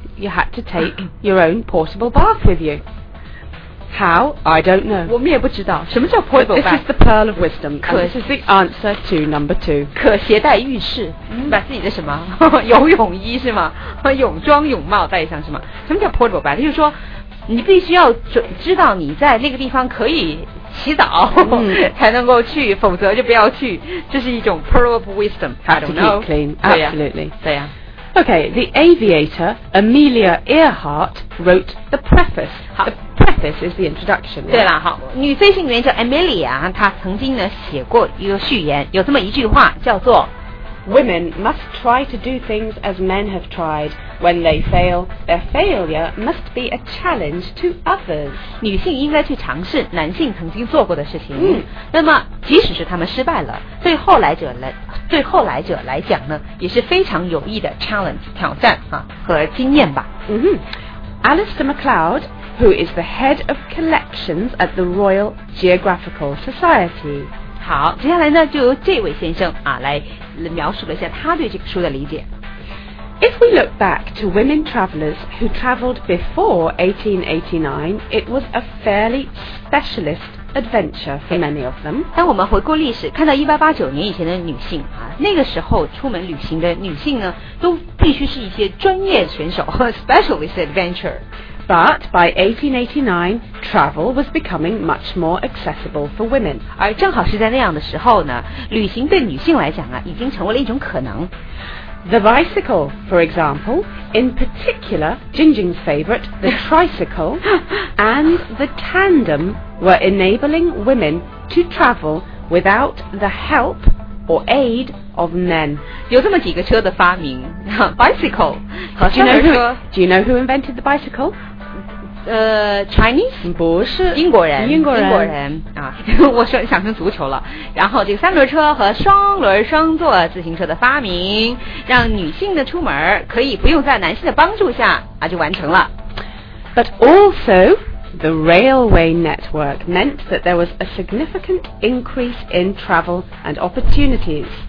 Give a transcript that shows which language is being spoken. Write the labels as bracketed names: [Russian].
[English] you had to take your own portable bath with youHow? I don't know. [Chinese] 我们也不知道什么叫 portable bath. [English] This is the pearl of wisdom. This is the answer to number two. [Chinese] 可携带浴室、嗯、把自己的什么游泳衣是吗泳装泳帽带上是吗什么叫 portable bath? 就是说你必须要知道你在那个地方可以洗澡、嗯、才能够去否则就不要去这是一种 [English] pearl of wisdom. Have to keep clean. Absolutely. [Chinese] 对呀、啊 [English] Okay, the aviator Amelia Earhart wrote the preface. The preface is the introduction. [Chinese] 对了，好，女飞行员叫 Amelia， 她曾经呢写过一个序言，有这么一句话叫做 [English] ：Women must try to do things as men have tried. When they fail, their failure must be a challenge to others. [Chinese] 女性应该去尝试男性曾经做过的事情。嗯，那么即使是他们失败了，对后来者来讲呢也是非常有益的 challenge 挑战、啊、和经验吧、 mm-hmm. [English] Alistair MacLeod who is the head of collections at the Royal Geographical Society [Chinese] 好接下来呢就由这位先生、啊、来描述了一下他对这个书的理解 [English] If we look back to women travelers who traveled before 1889 it was a fairly specialistadventure for many of them. [Chinese] 当我们回顾历史看到1889年以前的女性、啊、那个时候出门旅行的女性呢都必须是一些专业选手 [English] specialist adventure. But by 1889, travel was becoming much more accessible for women. [Chinese] 而正好是在那样的时候呢旅行对女性来讲啊已经成为了一种可能。 [English] The bicycle, for example, in particular, Jinjing's favorite, the tricycle, and the tandem were enabling women to travel without the help or aid of men. [Chinese] 有这么几个车的发明 ，bicycle 和三轮车。 [English] Do you know who invented the bicycle? Chinese [Chinese] 不是英国人啊，我说想成足球了。然后这个三轮车和双轮双座自行车的发明，让女性的出门可以不用在男性的帮助下啊就完成了。 [English] But also the railway network meant that there was a significant increase in travel and opportunities.